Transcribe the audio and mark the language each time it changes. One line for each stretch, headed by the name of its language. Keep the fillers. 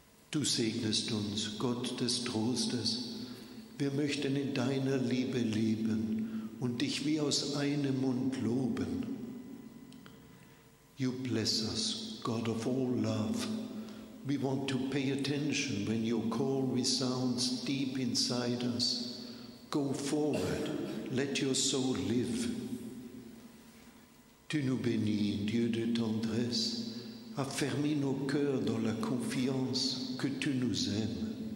German: Du segnest uns, Gott des Trostes, wir möchten in deiner Liebe leben und dich wie aus einem Mund loben.
English: You bless us, God of all love. We want to pay attention when your call resounds deep inside us. Go forward, let your soul live.
French: Tu nous bénis, Dieu de tendresse, affermis nos cœurs dans la confiance que tu nous aimes.